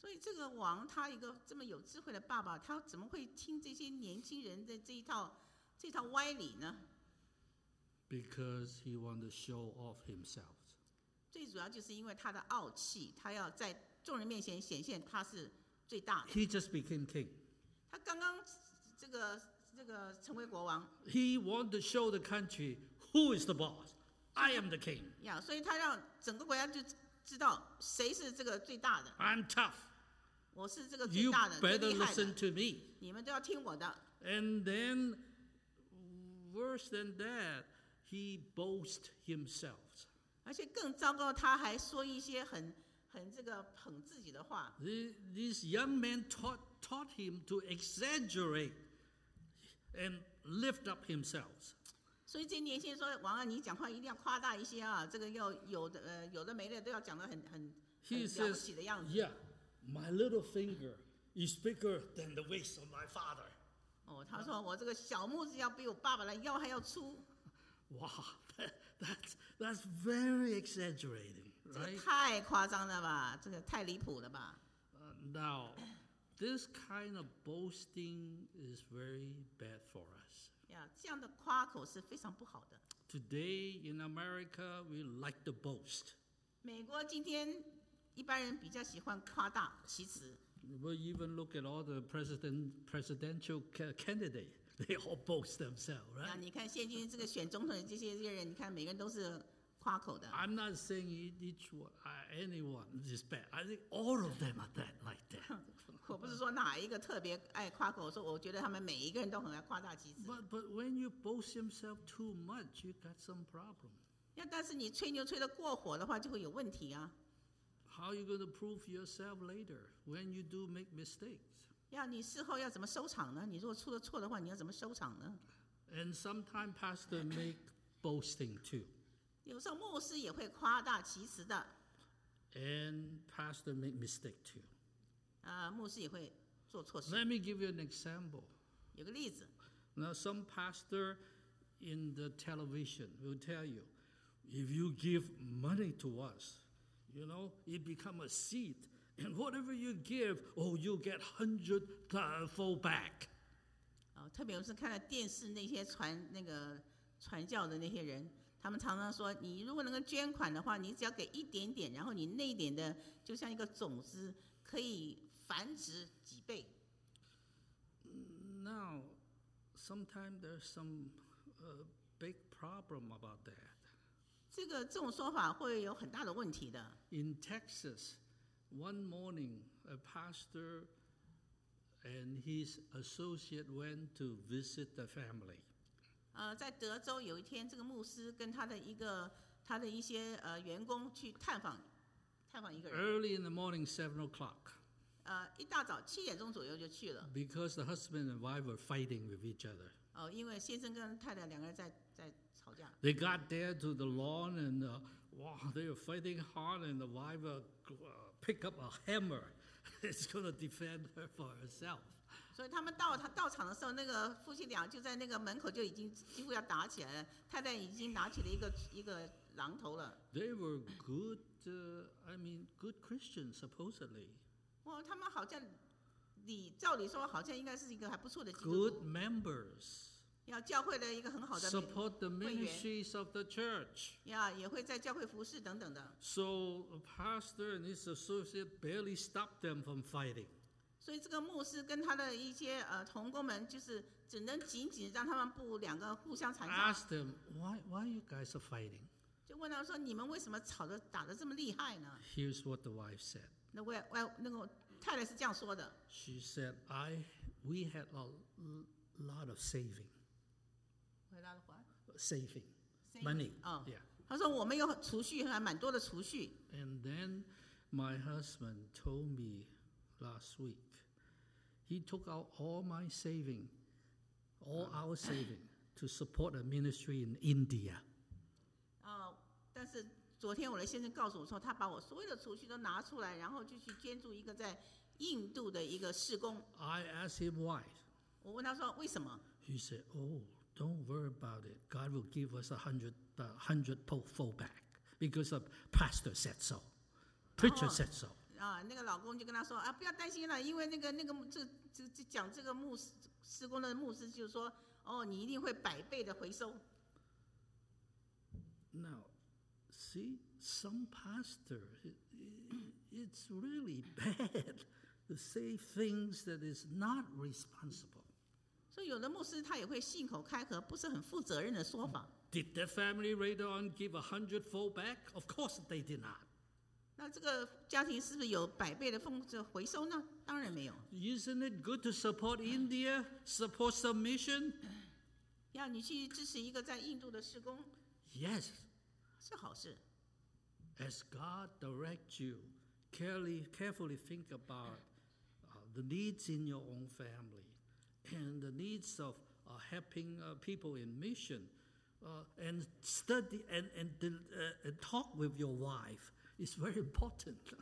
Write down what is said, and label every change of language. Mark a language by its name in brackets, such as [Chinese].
[Chinese] 所以这个王他一个这么有智慧的爸爸，他怎么会听这些年轻人的这一套歪理呢 [English] ？Because he wanted to show off himself. [Chinese] 最主要就是因为他的傲气，他要在众人面前显现他是。最大的 [English] He just became king. [Chinese] 他刚刚这个成为国王 [English] He wanted to show the country who is the boss. I am the king. [Chinese] Yeah, 所以他让整个国家就知道谁是这个最大的 [English] I'm tough. [Chinese] 我是这个最大的 [English] You better listen to me. [Chinese] 你们都要听我的 [English] And then, worse than that, he boasts himself. [Chinese] 而且更糟糕，他还说一些很这个捧自己的话。 [English] This young man taught him to exaggerate and lift up himself. [Chinese] 所以这年轻人说：“王啊，你讲话一定要夸大一些啊！这个要有的没的都要讲得很了不起的样子。” [English] He says, "Yeah, my little finger is bigger than the waist of my father." [Chinese] 哦，他说我这个小拇指要比我爸爸的腰还要粗。 [English] Wow, that's very exaggerating. [Chinese] 这太夸张了吧？这个太离谱了吧 [English] ？Now, this kind of boasting is very bad for us. [Chinese] Yeah, 这样的夸口是非常不好的。 [English] Today in America, we like to boast. [Chinese] 美国今天一般人比较喜欢夸大其词。 [English] We even look at all the presidential candidates. They all boast themselves, right? [Chinese] 你看现今这个选总统的这些人，你看每个人都是夸口的。 [English] I'm not saying anyone is bad. I think all of them are that like that. [Chinese] 我不是说哪一个特别爱夸口，说我觉得他们每一个人都很爱夸大其词。 [English] But when you boast yourself too much, you got some problem. [Chinese] 但是你吹牛吹得过火的话，就会有问题啊。 [English] How are you going to prove yourself later when you do make mistakes? [Chinese] 你事后要怎么收场呢？你如果出了错的话，你要怎么收场呢？ [English] And sometimes pastor make boasting too. [Chinese] 有时候牧师也会夸大其词的。 [English] And pastor make mistake too. [Chinese] 牧师也会做错事。 [English] Let me give you an example. [Chinese] 有个例子。 [English] Now some pastor in the television will tell you, if you give money to us,You know, it become a seed, and whatever you give, oh, you get 100-fold back. [Chinese] 特别我是看了电视那些传教的那些人，他们常常说，你如果能够捐款的话，你只要给一点点，然后你那一点的就像一个种子，可以繁殖几倍。 [English] Now, sometimes there's some big problem about that. [Chinese] 这种说法会有很大的问题的。 [English] In Texas, one morning, a pastor and his associate went to visit the family. [Chinese] 在德州有一天，这个牧师跟他的一些员工去探访一个人。 [English] Early in the morning, 7 o'clock. [Chinese] 一大早7点钟左右就去了。 [English] Because the husband and wife were fighting with each other. [Chinese] 因为先生跟太太两个人在吵架。 [English] They got there to the lawn and they were fighting hard and the wife picked up a hammer. It's going to defend her for herself. [Chinese] 所以他到场的时候，那个夫妻俩就在那个门口就已经几乎要打起来了。太太已经拿起了一个榔头了。 [English] They were good, good Christians supposedly. [Chinese] 他们好像照理说好像应该是一个还不错的基督徒。 [English] Good members. [Chinese] 要教会的一个很好的会员。 [English] Support the ministries of the church. [Chinese] 也会在教会服事等等的。 [English] So a pastor and his associate barely stopped them from fighting. [Chinese] 所以这个牧师跟他的一些同工们就是只能紧紧让他们不两个互相残杀。 [English] Ask them, why are you guys are fighting? [Chinese] 就问他说你们为什么吵得打得这么厉害呢？ [English] Here's what the wife said. [Chinese] 那个太太是这样说的。 [English] She said, we had a lot of saving. Saving money. Yeah. [Chinese] 他说我们有储蓄，还蛮多的储蓄。 [English] And then my husband told me last week, he took out all my saving, all our saving, to support a ministry in India. [Chinese] 但是昨天我的先生告诉我说，他把我所有的储蓄都拿出来，然后就去捐助一个在印度的一个事工。 [English] I asked him why. [Chinese] 我问他说为什么。 [English] He said, oh. Don't worry about it. God will give us 100-fold back because the pastor said so. Preacher said so. [Chinese] 那个老公就跟他说不要担心了，因为那个讲这个牧师施工的牧师就说你一定会百倍的回收。 [English] Now, see, some pastor, it's really bad to say things that is not responsible. [Chinese] 所以有的牧师他也会信口开河，不是很负责任的说法。 [English] Did the family later on give 100-fold back? Of course they did not. [Chinese] 那这个家庭是不是有百倍的回收呢？当然没有。 [English] Isn't it good to support India? Support some mission? [Chinese] 要你去支持一个在印度的事工。 [English] Yes. [Chinese] 是好事。 [English] As God directs you, carefully think about the needs in your own family. And the needs of helping people in mission, and study and talk with your wife is very important.